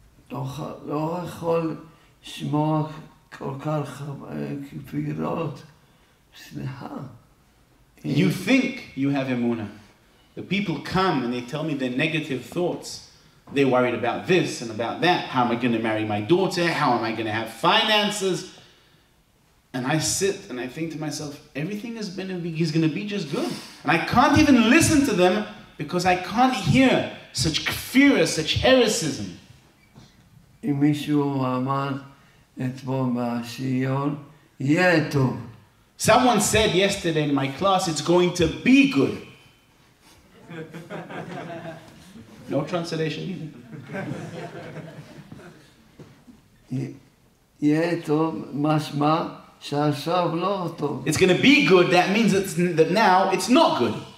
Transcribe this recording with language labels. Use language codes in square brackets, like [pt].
[he] לא יכול לשמוע כל כך כפירות. סליחה. [en] You think you have Emuna. The people come and they tell me their negative thoughts. They're worried about this and about that. How am I going to marry my daughter? How am I going to have finances? And I sit and I think to myself, everything is going to be just good. And I can't even listen to them because I can't hear such kfira, such heresism. [he] אם מישהו אמר אתמול בשיעור, יהיה טוב. [en] Someone said yesterday in my class, it's going to be good. No translation either. [he] יהיה טוב משמע שעכשיו לא טוב. [en] It's going to be good, that means that now it's not good.